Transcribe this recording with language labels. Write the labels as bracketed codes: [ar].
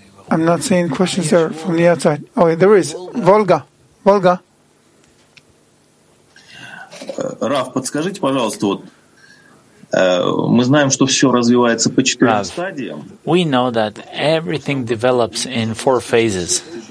[en] I'm not seeing questions there from the outside. Oh, wait, there is. Volga. [ru] Rav, подскажите, пожалуйста, вот. Мы знаем, что все развивается по четырем стадиям. [en] We know that everything develops in four phases.